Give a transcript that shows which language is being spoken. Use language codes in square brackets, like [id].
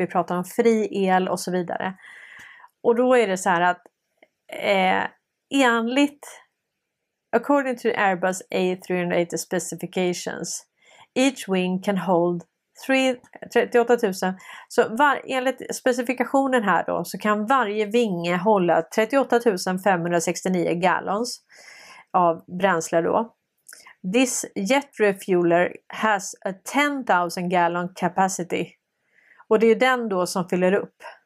[sv] Vi pratar om fri el och så vidare. Och då är det så här att enligt [en] according to Airbus A380 specifications, each wing can hold 38 000. [sv] Så enligt specifikationen här då så kan varje vinge hålla 38 569 gallons av bränsle då. [en] This jet refueler has a 10 000 gallon capacity. [sv] Och det är den då som fyller upp.